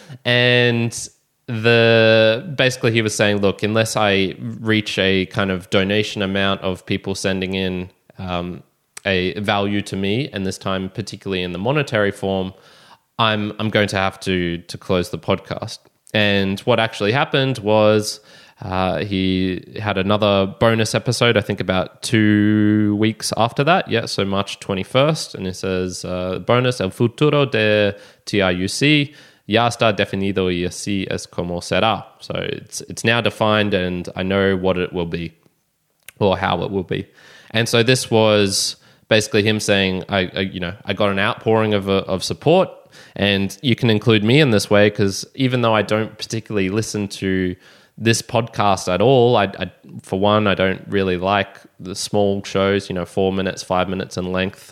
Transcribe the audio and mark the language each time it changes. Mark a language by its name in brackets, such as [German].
[English] And basically he was saying, look, unless I reach a kind of donation amount of people sending in a value to me, and this time particularly in the monetary form, I'm going to have to close the podcast. And what actually happened was, he had another bonus episode, I think about 2 weeks after that. Yeah, so March 21st. And it says, [Spanish] bonus, el futuro de TIUC ya está definido y así es como será. [English] So it's now defined, and I know what it will be, or how it will be. And so this was basically him saying, I got an outpouring of support, and you can include me in this way, because even though I don't particularly listen to this podcast at all, I don't really like the small shows, you know, 4 minutes, 5 minutes in length.